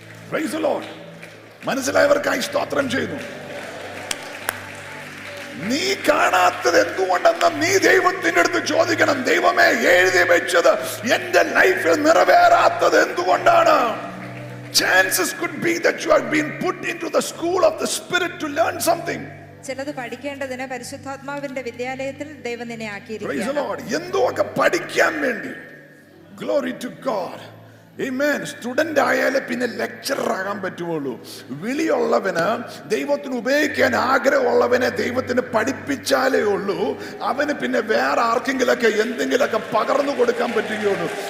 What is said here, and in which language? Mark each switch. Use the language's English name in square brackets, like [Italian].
[English] Praise the Lord. [Malayalam] മനസ്സിലായവർക്കായി സ്തോത്രം ചെയ്യുന്നു. നീ കാണാത്തത് എന്തുകൊണ്ടെന്ന് നീ ദൈവത്തിന്റെ അടുത്ത് ചോദിക്കണം. ദൈവമേ, എഴുതി വെച്ചത് എന്റെ ലൈഫിൽ നിറവേറാത്തത് എന്തുകൊണ്ടാണ്? [English] Chances could be that you have been put into the school of the spirit to learn something. [Malayalam] ചിലത് പഠിക്കേണ്ടതിനെ പരിശുദ്ധാത്മാവിന്റെ വിദ്യാലയത്തിൽ ദൈവം നിന്നെ ആക്കിയിരിക്കുന്നു. [English] Praise the Lord. [Malayalam] എന്തൊക്കെ പഠിക്കാൻ വേണ്ടി? [English] Glory to God. [Malayalam] ഇമേൻ. സ്റ്റുഡന്റ് ആയാലേ പിന്നെ ലെക്ചറർ ആകാൻ പറ്റുള്ളൂ. വിളിയുള്ളവന്, ദൈവത്തിന് ഉപയോഗിക്കാൻ ആഗ്രഹമുള്ളവനെ ദൈവത്തിന് പഠിപ്പിച്ചാലേ ഉള്ളൂ അവന് പിന്നെ വേറെ ആർക്കെങ്കിലൊക്കെ എന്തെങ്കിലൊക്കെ പകർന്നു കൊടുക്കാൻ പറ്റുകയുള്ളൂ.